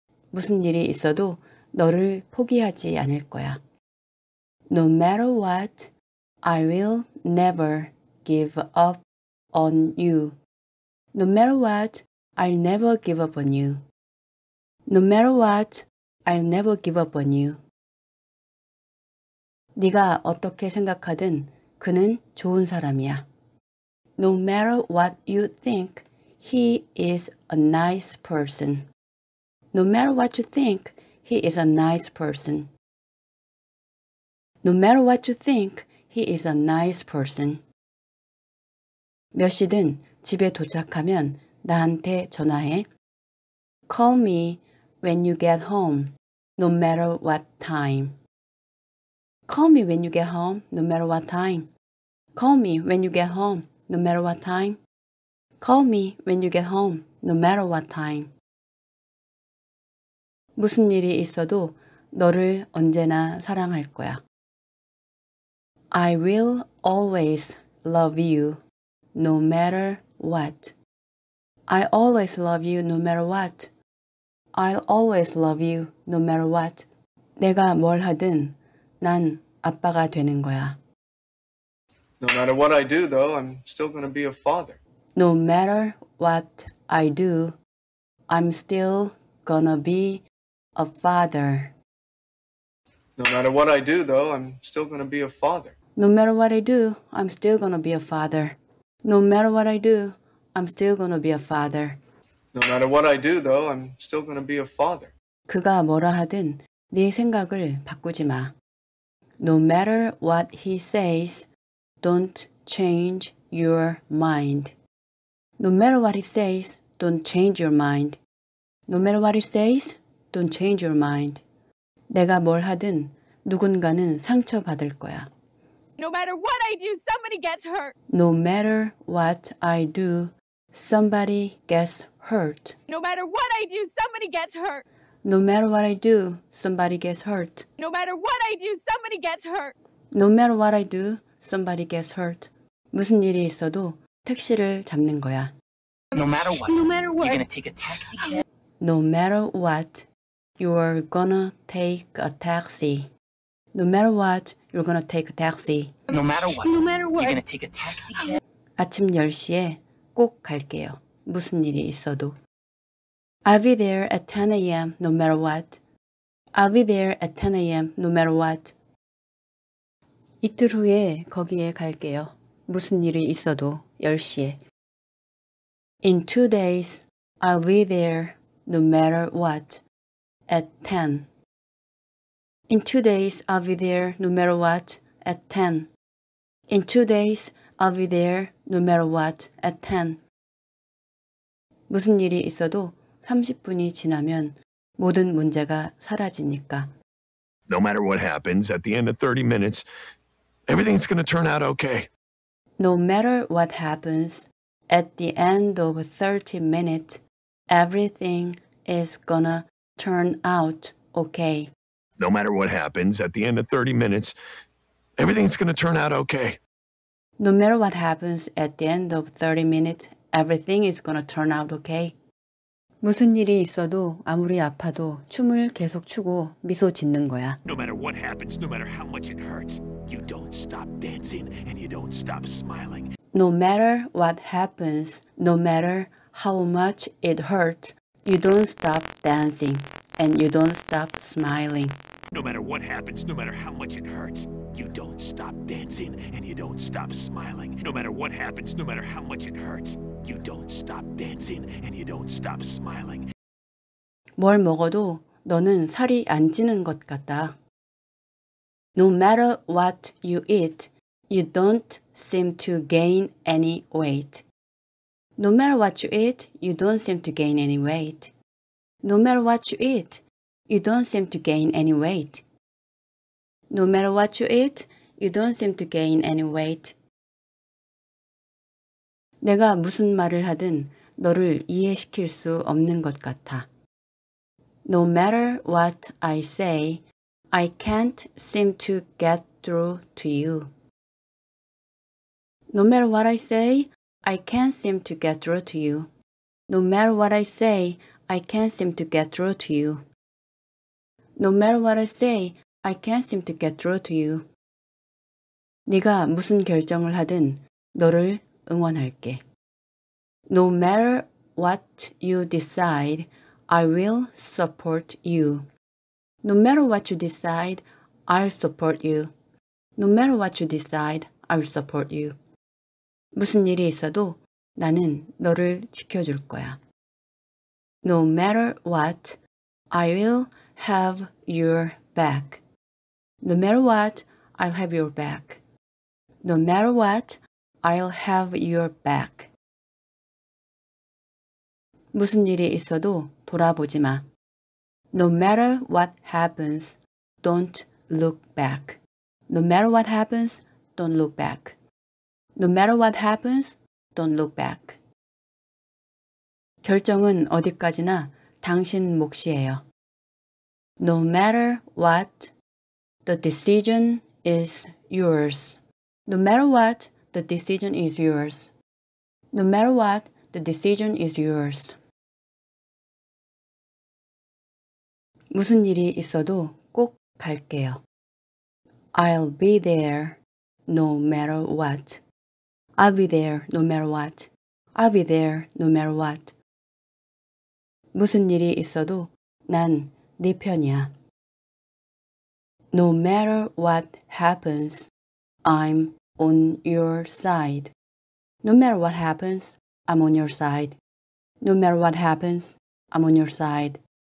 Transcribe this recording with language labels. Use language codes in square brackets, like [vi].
[ko] 무슨 일이 있어도 너를 포기하지 않을 거야. [en] No matter what, I will never give up on you. No matter what, I'll never give up on you. No matter what, I'll never give up on you. [ko] 네가 어떻게 생각하든 그는 좋은 사람이야. [en] No matter what you think, he is a nice person. No matter what you think, he is a nice person. No matter what you think, he is a nice person. [ko] 몇 시든 집에 도착하면 나한테 전화해. [en] Call me when you get home, no matter what time. Call me when you get home, no matter what time. Call me when you get home, no matter what time. Call me when you get home, no matter what time. [ko] 무슨 일이 있어도 너를 언제나 사랑할 거야. [en] I will always love you no matter what. I always love you no matter what. I'll always love you no matter what. [ko] 내가 뭘 하든 난 아빠가 되는 거야. [en] No matter what I do though, I'm still going to be a father. No matter what I do, I'm still going to be a father. No matter what I do though, I'm still going to be a father. No matter what I do, I'm still gonna be a father. No matter what I do, I'm still gonna be a father. No matter what I do, though, I'm still gonna be a father. [ko] 그가 뭐라 하든 네 생각을 바꾸지 마. [en] No matter what he says, don't change your mind. No matter what he says, don't change your mind. No matter what he says, don't change your mind. [ko] 내가 뭘 하든 누군가는 상처받을 거야. [en] No matter what I do, somebody gets hurt. No matter what I do, somebody gets hurt. No matter what I do, somebody gets hurt. No matter what I do, somebody gets hurt. No matter what I do, somebody gets hurt. No matter what I do, somebody gets hurt. [ko] 무슨 일이 있어도 택시를 잡는 거야. [en] No matter what. No matter what. You're gonna take a taxi. No matter what, you're gonna take a taxi. No matter what, you're gonna take a taxi. No matter what. No matter what. You're gonna take a taxi. [ko] 아침 10시에 꼭 갈게요. 무슨 일이 있어도. [en] I'll be there at 10 a.m. no matter what. I'll be there at 10 a.m. no matter what. [ko] 이틀 후에 거기에 갈게요. 무슨 일이 있어도 10시에. [en] In 2 days, I'll be there no matter what at 10. In 2 days, I'll be there no matter what at 10. In 2 days, I'll be there no matter what at 10. [ko] 무슨 일이 있어도 30분이 지나면 모든 문제가 사라지니까. [en] No matter what happens, at the end of 30 minutes, everything's gonna turn out okay. No matter what happens, at the end of 30 minutes, everything is gonna turn out okay. No matter what happens, at the end of 30 minutes, everything's gonna turn out okay. No matter what happens, at the end of 30 minutes, everything is gonna turn out okay. [ko] 무슨 일이 있어도 아무리 아파도 춤을 계속 추고 미소 짓는 거야. [en] No matter what happens, no matter how much it hurts, you don't stop dancing and you don't stop smiling. No matter what happens, no matter how much it hurts, you don't stop dancing and you don't stop smiling. No matter what happens, no matter how much it hurts, you don't stop dancing and you don't stop smiling. No matter what happens, no matter how much it hurts, you don't stop dancing and you don't stop smiling. [ko] 뭘 먹어도 너는 살이 안 찌는 것 같다. [en] No matter what you eat, you don't seem to gain any weight. No matter what you eat, you don't seem to gain any weight. No matter what you eat, you don't seem to gain any weight. No matter what you eat, you don't seem to gain any weight. [ko] 내가 무슨 말을 하든 너를 이해시킬 수 없는 것 같아. [en] No matter what I say, I can't seem to get through to you. No matter what I say, I can't seem to get through to you. No matter what I say, I can't seem to get through to you. No matter what I say, I can't seem to get through to you. [ko] 네가 무슨 결정을 하든 너를 응원할게. [en] No matter what you decide, I will support you. No matter what you decide, I'll support you. No matter what you decide, I'll support you. [ko] 무슨 일이 있어도 나는 너를 지켜줄 거야. [en] No matter what, I will have your back. No matter what, I'll have your back. No matter what, I'll have your back. [ko] 무슨 일이 있어도 돌아보지 마. [en] No matter what happens, don't look back. No matter what happens, don't look back. No matter what happens, don't look back. [ko] 결정은 어디까지나 당신 몫이에요. [en] No matter what, the decision is yours. No matter what, the decision is yours. No matter what, the decision is yours. [ko] 무슨 일이 있어도 꼭 갈게요. [en] I'll be there no matter what. I'll be there no matter what. I'll be there no matter what. [ko] 무슨 일이 있어도 난 네 편이야. [en] No matter what happens, I'm on your side. No matter what happens, I'm on your side. No matter what happens, I'm on your side.